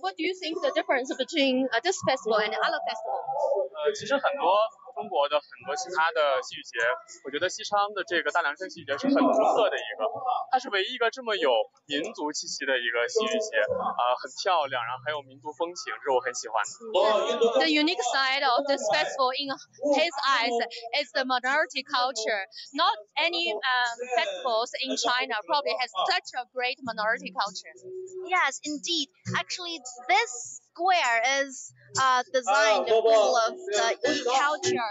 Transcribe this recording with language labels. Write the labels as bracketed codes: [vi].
[en] What do you think the difference between this festival and other festival？ [zh] 其实很多中国的很多其他的戏剧节，我觉得西昌的这个大凉山戏剧节是很独特的一个，它是唯一一个这么有民族气息的一个戏剧节，很漂亮，然后很有民族风情，这是我很喜欢的。The [en] unique side of this festival in his eyes is the minority culture. Not any festivals in China probably has such a great minority culture. Yes, indeed. Actually, this square is designed full of the Yi culture.